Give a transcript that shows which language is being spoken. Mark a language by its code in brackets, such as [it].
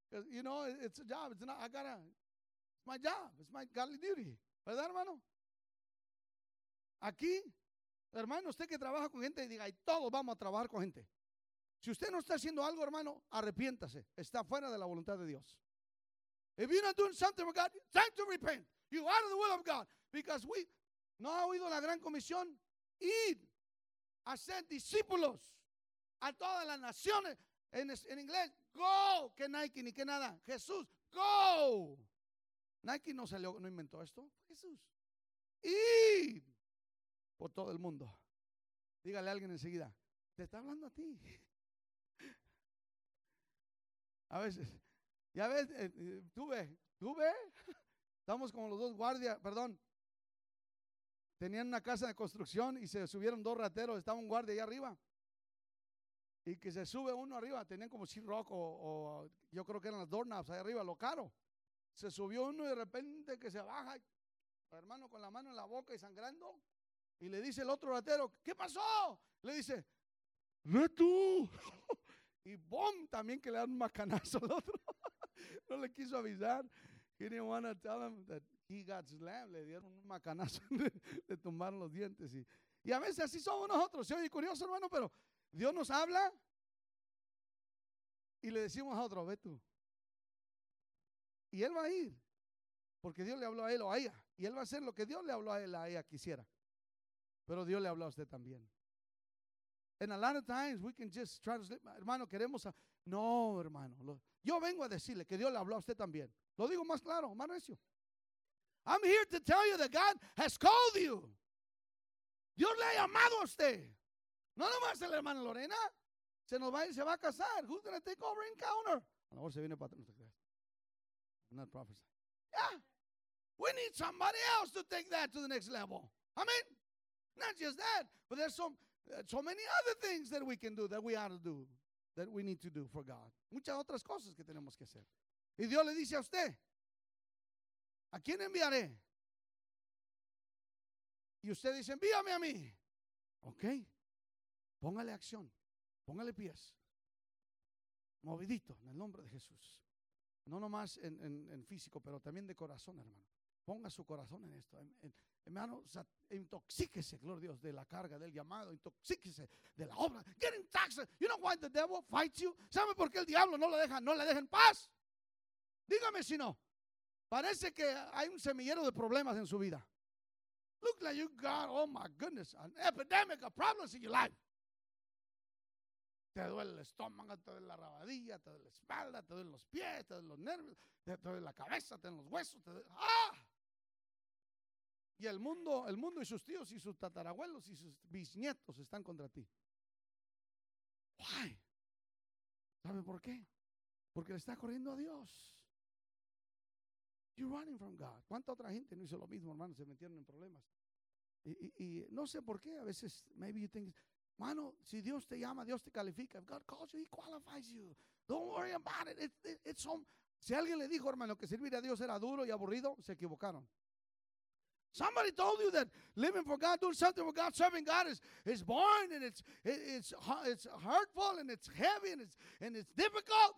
[en] You know, it's a job. It's not, I gotta, it's my job. It's my godly duty. [es] ¿Verdad, hermano? Aquí, hermano, usted que trabaja con gente, diga, y todos vamos a trabajar con gente. Si usted no está haciendo algo, hermano, arrepiéntase. Está fuera de la voluntad de Dios. [en] If you're not doing something for God, time to repent. You are the will of God. Because we, [es] ¿no ha oído la gran comisión? Ir a ser discípulos a todas las naciones. En inglés, go, que Nike ni que nada. Jesús, go. Nike no salió, no inventó esto. Jesús. Y por todo el mundo. Dígale a alguien enseguida. Te está hablando a ti. A veces. Ya ves, tú ve. Estamos como los dos guardias, perdón. Tenían una casa de construcción y se subieron dos rateros. Estaba un guardia allá arriba. Y que se sube uno arriba. Tenían como C-Rock o yo creo que eran las doorknobs allá arriba, lo caro. Se subió uno y de repente que se baja, hermano, con la mano en la boca y sangrando. Y le dice el otro ratero, ¿qué pasó? Le dice, ¡ve tú! Y ¡boom! También que le dan un macanazo al otro. No le quiso avisar. [en] He didn't want to tell him that he got slammed. [es] Le dieron un macanazo, le tumbaron los dientes. Y a veces así somos nosotros. Se oye curioso, hermano, pero Dios nos habla. Y le decimos a otro, ¡ve tú! Y él va a ir, porque Dios le habló a él o a ella. Y él va a hacer lo que Dios le habló a él o a ella quisiera. Pero Dios le habló a usted también. [en] And a lot of times we can just try to sleep. [es] Hermano, queremos a... No, hermano. Yo vengo a decirle que Dios le habló a usted también. Lo digo más claro, más recio. I'm here to tell you that God has called you. Dios le ha llamado a usted. No nomás el hermano Lorena. Se nos va a ir, se va a casar. [en] Who's going to take over encounter? [es] A lo mejor se viene para atrás. [en] Not prophesy. Yeah. We need somebody else to take that to the next level. Amen. Not just that, but there's so many other things that we can do, that we ought to do, that we need to do for God. [es] Muchas otras cosas que tenemos que hacer. Y Dios le dice a usted, ¿a quién enviaré? Y usted dice, envíame a mí. Ok. Póngale acción. Póngale pies. Movidito en el nombre de Jesús. No nomás en físico, pero también de corazón, hermano. Ponga su corazón en esto. Hermano, intoxíquese, gloria a Dios, de la carga, del llamado. Intoxíquese de la obra. [en] Get intoxicated. You know why the devil fights you? [es] ¿Sabe por qué el diablo no le deja en paz? Dígame si no. Parece que hay un semillero de problemas en su vida. [en] Look like you got, oh my goodness, an epidemic of problems in your life. [es] Te duele el estómago, te duele la rabadilla, te duele la espalda, te duele los pies, te duele los nervios, te duele la cabeza, te duele los huesos, te duele... ¡Ah! Y el mundo y sus tíos y sus tatarabuelos y sus bisnietos están contra ti. ¿Why? ¿Sabe por qué? Porque le está corriendo a Dios. [en] You're running from God. [es] ¿Cuánta otra gente no hizo lo mismo, hermano? Se metieron en problemas. Y no sé por qué, a veces, [en] maybe you think... [es] Mano, si Dios te llama, Dios te califica. [en] If God calls you, He qualifies you. Don't worry about it. [es] Si alguien le dijo, hermano, que servir a Dios era duro y aburrido, se equivocaron. [en] Somebody told you that living for God, doing something for God, serving God is boring and it's hurtful and it's heavy and it's difficult.